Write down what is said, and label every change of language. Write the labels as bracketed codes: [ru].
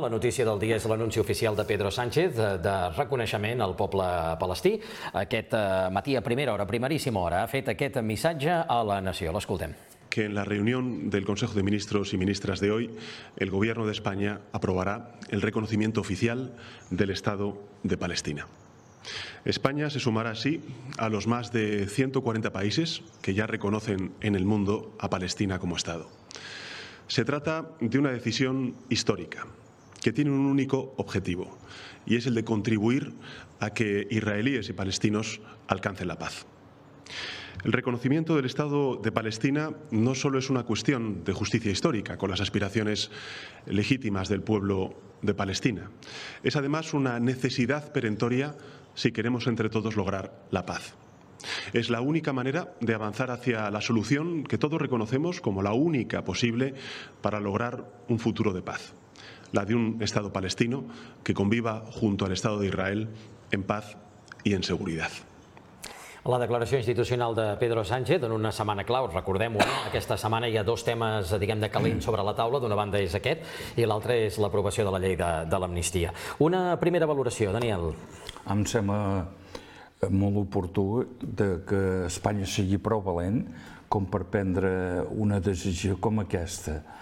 [ca] La notícia del dia és l'anunci oficial de Pedro Sánchez de reconeixement al poble palestí. Aquest matí a primera hora, primeríssima hora, ha fet aquest missatge a la nació. L'escoltem. [es] Que en la reunión del Consejo de Ministros y Ministras de hoy, el Gobierno de España aprobará el reconocimiento oficial del Estado de Palestina. España se sumará así a los más de 140 países que ya reconocen en el mundo a Palestina como Estado. Se trata de una decisión histórica que tiene un único objetivo y es el de contribuir a que israelíes y palestinos alcancen la paz. El reconocimiento del Estado de Palestina no solo es una cuestión de justicia histórica con las aspiraciones legítimas del pueblo de Palestina. Es además una necesidad perentoria si queremos entre todos lograr la paz. Es la única manera de avanzar hacia la solución que todos reconocemos como la única posible para lograr un futuro de paz. La de un Estado palestino que conviva junto al Estado de Israel en paz y en seguridad. [ca] La declaració institucional de Pedro Sánchez en una setmana clau, recordem-ho, aquesta setmana hi ha dos temes, diguem, de calent sobre la taula, d'una banda és aquest, i l'altra és l'aprovació de la llei de l'amnistia. Una primera valoració, Daniel. Em sembla molt oportú que Espanya sigui prou valent com per prendre una decisió com aquesta.